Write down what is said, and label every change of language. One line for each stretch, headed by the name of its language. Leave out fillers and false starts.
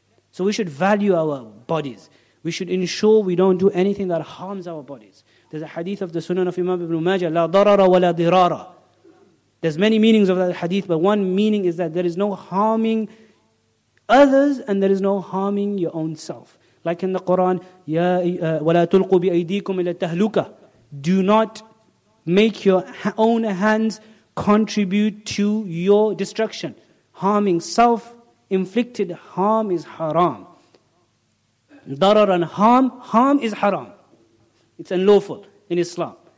English: So we should value our bodies. We should ensure we don't do anything that harms our bodies. There's a hadith of the Sunan of Imam Ibn Majah,
Arabic: لا ضرر ولا ضرار.
English: There's many meanings of that hadith, but one meaning is that there is no harming others and there is no harming your own self. Like in the Quran,
Arabic: ولا تلقوا بأيديكم إلى التهلكة.
English: Do not make your own hands contribute to your destruction. Harming, self-inflicted harm is haram. Darar and harm is haram. It's unlawful in Islam.